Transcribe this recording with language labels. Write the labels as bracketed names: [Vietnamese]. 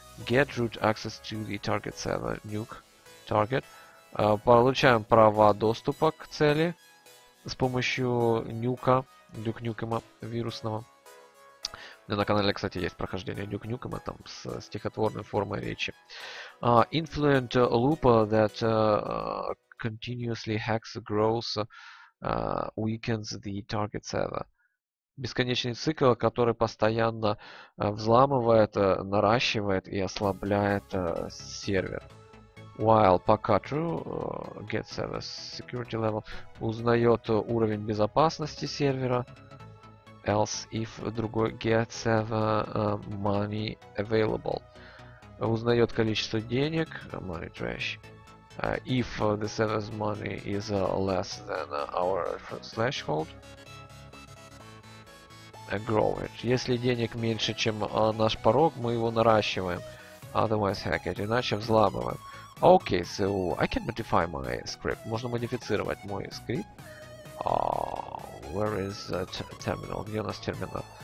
[English] Get root access to the target server. Nuke target. [Russian] Получаем права доступа к цели с помощью нюка, Duke Nukem'а вирусного. На канале, кстати, есть прохождение Duke Nukem'а там с стихотворной формой речи. [English] Influent loop that continuously hacks, grows, weakens the target server. [Russian] Бесконечный цикл, который постоянно взламывает, наращивает и ослабляет сервер. [English] While пока true, get server security level, [Russian] узнает уровень безопасности сервера. [English] Else if другой get server money available. [Russian] Узнает количество денег, money trash. [English] If the server's money is less than our threshold. Grow it. [Russian] Если денег меньше, чем наш порог, мы его наращиваем. [English] Otherwise hack it. [Russian] Иначе взламываем. [English] Okay, so I can modify my script. [Russian] Можно модифицировать мой скрипт. [English] Where is that terminal? [Russian] Где у нас терминал?